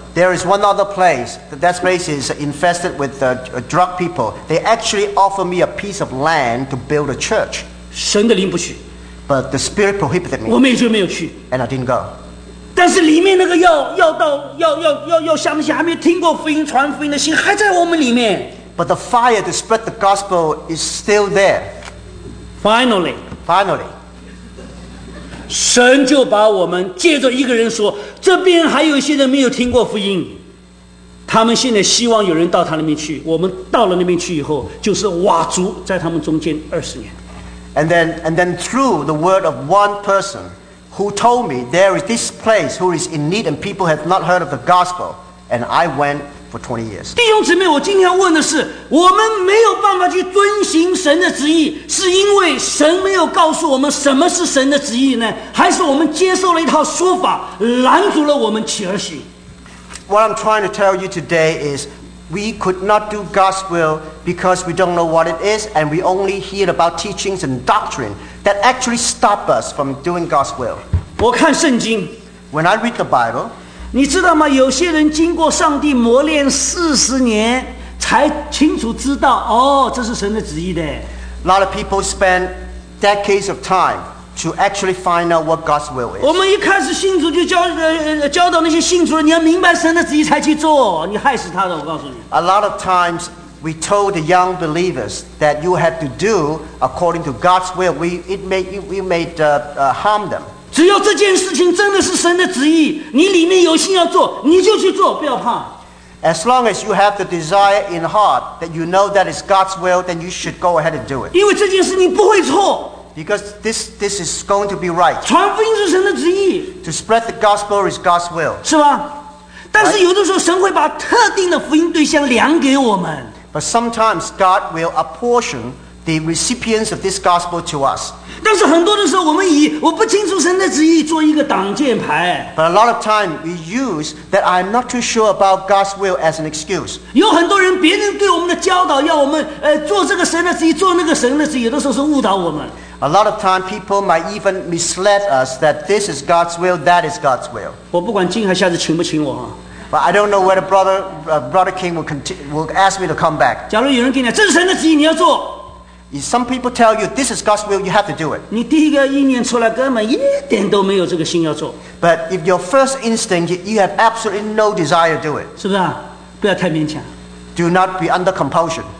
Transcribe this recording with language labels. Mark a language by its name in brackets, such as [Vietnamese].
[English] There is one other place. That place is infested with drug people. They actually offer me a piece of land to build a church. [Chinese] 神的灵不许。 [English] But the spirit prohibited me. [Chinese] 我们也就没有去。 [English] And I didn't go. [Chinese] 但是里面那个要想不想还没听过福音传福音的心还在我们里面。 [English] But the fire to spread the gospel is still there. Finally. Finally. [Chinese] 神就把我们借着一个人说，这边还有一些人没有听过福音，他们现在希望有人到他那边去。我们到了那边去以后，就是佤族在他们中间二十年。 [English] And then through the word of one person who told me there is this place who is in need and people have not heard of the gospel, and I went for 20 years. [Chinese] 弟兄姊妹，我今天要问的是，我们没有办法去遵行神的旨意，是因为神没有告诉我们什么是神的旨意呢？还是我们接受了一套说法，拦阻了我们起而行？ [English] What I'm trying to tell you today is, we could not do God's will because we don't know what it is, and we only hear about teachings and doctrine that actually stop us from doing God's will. [Chinese] 我看圣经。 [English] When I read the Bible, [Chinese] 你知道吗？有些人经过上帝磨练四十年，才清楚知道哦，这是神的旨意的。 [English] A lot of people spend decades of time to actually find out what God's will is. [Chinese] 我们一开始信主就教导那些信主的，你要明白神的旨意才去做，你害死他的，我告诉你。 [English] A lot of times we told the young believers that you have to do according to God's will. We made harm them. [Chinese] 只要这件事情真的是神的旨意，你里面有心要做，你就去做，不要怕。 [English] As long as you have the desire in heart that you know that is God's will, then you should go ahead and do it. [Chinese] 因为这件事你不会错。 [English] Because this is going to be right. [Chinese] 传福音是神的旨意。 [English] To spread the gospel is God's will. [Chinese] 是吗？但是有的时候神会把特定的福音对象量给我们。 [English] But sometimes God will apportion the recipients of this gospel to us. [Chinese] 但是很多的时候，我们以我不清楚神的旨意做一个挡箭牌。 [English] But a lot of time we use that I'm not too sure about God's will as an excuse. [Chinese] 有很多人，别人对我们的教导，要我们做这个神的旨意，做那个神的旨意，有的时候是误导我们。 [English] A lot of time people might even mislead us that this is God's will, that is God's will. [Chinese] 我不管今天下次请不请我。 [English] But I don't know whether brother King will ask me to come back. [Chinese] 假如有人跟你讲这是神的旨意，你要做。 [English] If some people tell you this is God's will, you have to do it. [Chinese] 你第一个意念出来根本一点都没有这个心要做。 [English] But if your first instinct, you have absolutely no desire to do it. [Chinese] 是不是啊？不要太勉强。 [English] Do not be under compulsion.